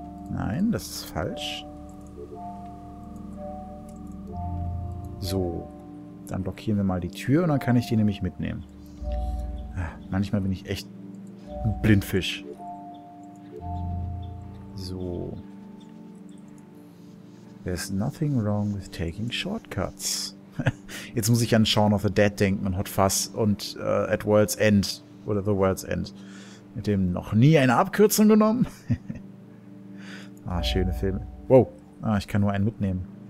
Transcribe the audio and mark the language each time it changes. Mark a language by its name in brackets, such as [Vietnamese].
[German] Nein, das ist falsch. So. Dann blockieren wir mal die Tür und dann kann ich die nämlich mitnehmen. Manchmal bin ich echt ein Blindfisch. So. [English] There's nothing wrong with taking shortcuts. [German] Jetzt muss ich an Shaun of the Dead denken und Hot Fuzz und At World's End. Oder The World's End. Mit dem noch nie eine Abkürzung genommen. Ah, schöne Filme. Wow. Ah, ich kann nur einen mitnehmen.